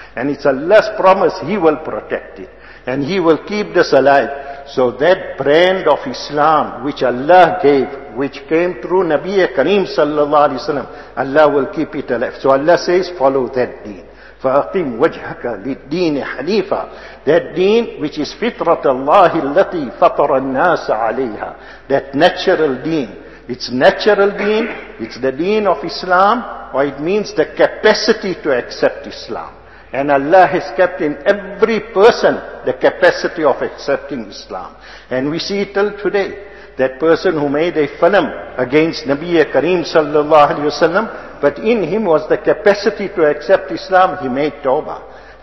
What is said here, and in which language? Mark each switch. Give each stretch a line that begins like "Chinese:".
English: And it's Allah's promise, He will protect it. And He will keep this alive. So that brand of Islam which Allah gave, which came through Nabi Kareem sallallahu alaihi wasallam, Allah will keep it alive. So Allah says, follow that deen.
Arabic: فَأَقِمْ وَجْهَكَ لِلدِّينِ حَنِيفًا.
English: That deen which is
Arabic: فِطْرَةَ اللَّهِ الَّتِي فَطَرَ النَّاسَ عَلَيْهَا.
English: That natural deen. It's natural deen. It's the deen of Islam. Or it means the capacity to accept Islam. And Allah has kept in every person the capacity of accepting Islam. And we see it till today. That person who made a film against Nabi Kareem sallallahu alayhi wasallam, but in him was the capacity to accept Islam, he made tawbah.